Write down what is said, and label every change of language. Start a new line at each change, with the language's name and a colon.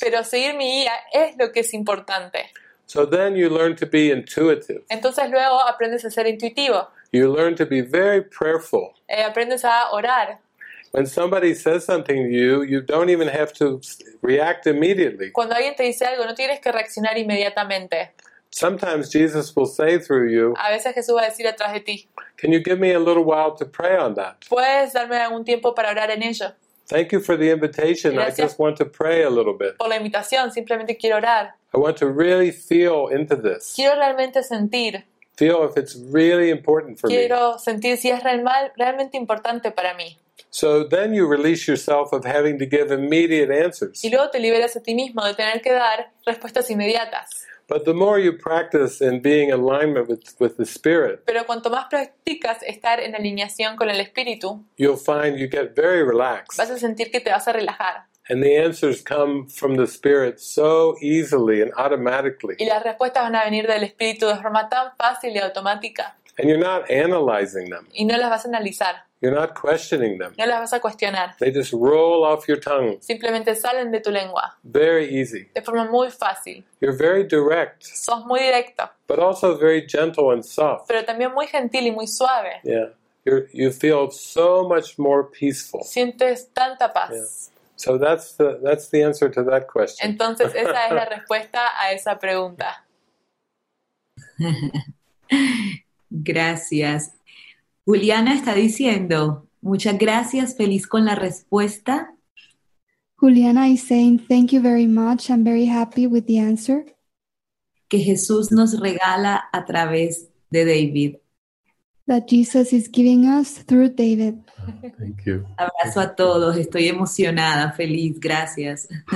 Spanish: Pero seguir mi guía es lo que es importante.
English: So then you learn to be intuitive.
Spanish: Entonces luego aprendes a ser intuitivo.
English: You learn to be very prayerful.
Spanish: Aprendes a orar.
English: When somebody says something to you, you don't even have to react immediately.
Spanish: Cuando alguien te dice algo, no tienes que reaccionar inmediatamente.
English: Sometimes Jesus will say through you.
Spanish: A veces Jesús va a decir atrás de ti.
English: Can you give me a little while to pray on that?
Spanish: ¿Puedes darme algún tiempo para orar en ello?
English: Thank you for the invitation.
Spanish: Gracias.
English: I just want to pray a little bit.
Spanish: Por la invitación, simplemente quiero orar.
English: I want to really feel into this.
Spanish: Quiero realmente sentir.
English: Feel if it's really important for
Spanish: quiero
English: me.
Spanish: Sentir si es realmente importante para mí.
English: So then you release yourself of having to give immediate answers.
Spanish: Y luego te liberas a ti mismo de tener que dar respuestas inmediatas.
English: But the more you practice in being alignment with the spirit,
Spanish: pero cuanto más practicas estar en alineación con el espíritu,
English: you'll find you get very relaxed.
Spanish: Vas a sentir que te vas a relajar.
English: And the answers come from the spirit so easily and automatically.
Spanish: Y las respuestas van a venir del espíritu de forma tan fácil y automática.
English: And you're not analyzing them.
Spanish: Y no las vas a analizar.
English: You're not questioning them.
Spanish: No las vas a cuestionar.
English: They just roll off your tongue.
Spanish: Simplemente salen de tu lengua.
English: Very easy.
Spanish: De forma muy fácil.
English: You're very direct.
Spanish: Sos muy directo.
English: But also very gentle and soft.
Spanish: Pero también muy gentil y muy suave.
English: Yeah. You feel so much more peaceful.
Spanish: Sientes tanta paz.
English: Yeah. So that's the answer to that question.
Spanish: Entonces esa es la respuesta a esa pregunta. Gracias. Juliana está diciendo, muchas gracias, feliz con la respuesta.
English: Juliana is saying, thank you very much, I'm very happy with the answer.
Spanish: Que Jesús nos regala a través de David.
English: That Jesus is giving us through David. Thank you.
Spanish: Abrazo a todos, estoy emocionada, feliz, gracias.